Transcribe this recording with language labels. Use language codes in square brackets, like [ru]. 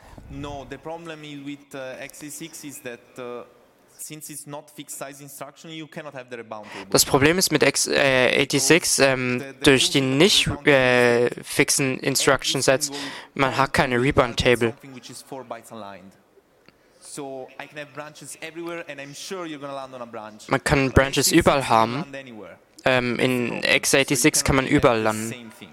[en] No, the problem with x86 is that since it's not fixed size instruction, you cannot have the rebound table. [de] Das Problem ist mit x86, durch die nicht fixen Instruction Sets, man hat keine rebound table. [en] Which is 4 bytes aligned. So I can have branches everywhere and I'm sure you're gonna land on a branch. [de] Man kann Branches überall haben. In x86 kann man überall landen.